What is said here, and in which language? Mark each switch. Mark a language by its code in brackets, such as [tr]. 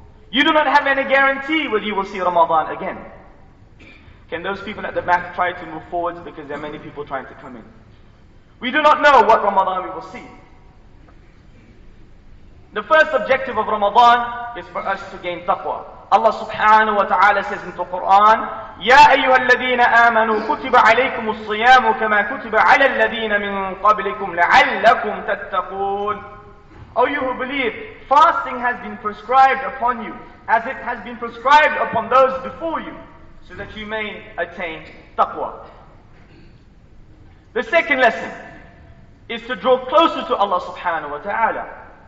[en] You do not have any guarantee whether you will see Ramadan again. Can those people at the back try to move forward because there are many people trying to come in? We do not know what Ramadan we will see. The first objective of Ramadan is for us to gain taqwa. Allah subhanahu wa ta'ala says in the Quran, [ar] يَا أَيُّهَا الَّذِينَ آمَنُوا كُتِبَ عَلَيْكُمُ الصِّيَامُ كَمَا كُتِبَ عَلَى الَّذِينَ مِنْ قَبْلِكُمْ لَعَلَّكُمْ تَتَّقُونَ. [en] O you who believe, fasting has been prescribed upon you as it has been prescribed upon those before you, so that you may attain taqwa. The second lesson is to draw closer to Allah subhanahu wa ta'ala.